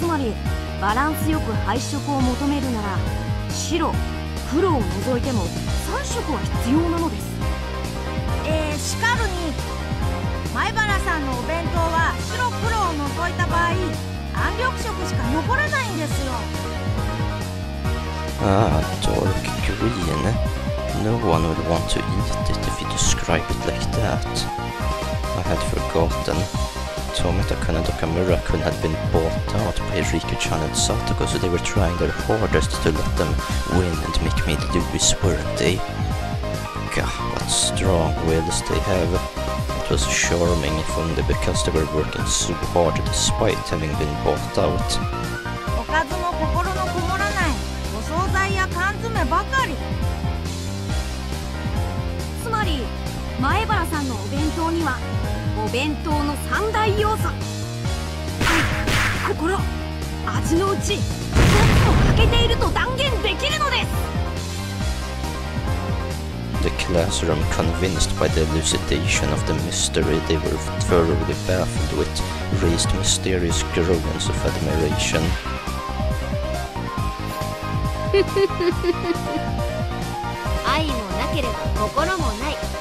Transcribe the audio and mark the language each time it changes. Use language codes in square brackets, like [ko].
[ja] つまりバランスよく配色を求めるなら、白、黒を除いても3色は必要なのです。しかるに、前原さんのお弁当は白、黒を除いた場合、暗緑色しか残らないんですよ。 [en] Dark green. No one would want to eat it if you describe it like that. I had forgotten. Tomita-kun and Okamura-kun had been bought out by Riku-chan and Satoko, so they were trying their hardest to let them win and make me lose, weren't they? Gah, what strong wills they have. It was charming if only because they were working so hard despite having been bought out. [ja] おかずも心のこもらないお惣菜や缶詰ばかり。つまり前原さんのお弁当にはお弁当の三大要素、心、味のうち一つを欠けていると断言できるのです。 [en] The classroom, convinced by the elucidation of the mystery they were thoroughly baffled with, raised mysterious groans of admiration. [ja] 愛もなければ心もない。